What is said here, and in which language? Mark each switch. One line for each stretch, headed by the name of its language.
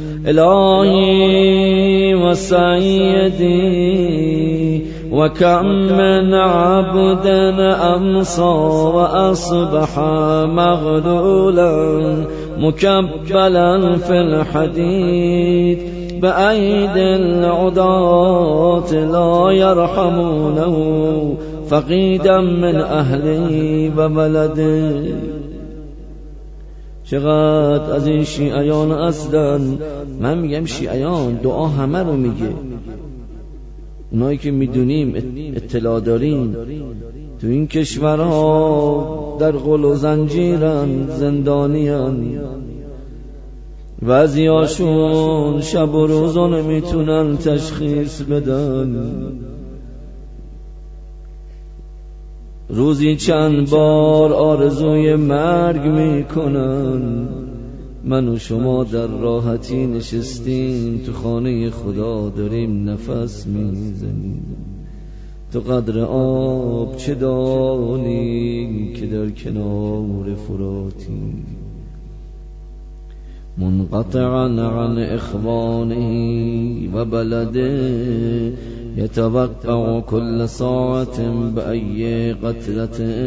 Arabic: إلهي وسيدي وكم من عبد أمصى وأصبح مغلولا مكبلا في الحديد بأيد العداة لا يرحمونه فقيدا من أهلي وبلدي.
Persian: چقدر از این شیعیان اصلا، من میگم شیعیان، دعا همه رو میگه، اونایی که میدونیم اطلاع داریم تو این کشورها در غل و زنجیرن، زندانیان، بعضی هاشون شب و روز نمیتونن تشخیص بدن، روزی چند بار آرزوی مرگ میکنن. من و شما در راحتی نشستیم تو خانه خدا، داریم نفس میزنیم. تو قدر آب چه دانی که در کنار فراتی
Arabic: منقطعا عن اخوانه و بلده يتوقع كل ساعة بأي قتلة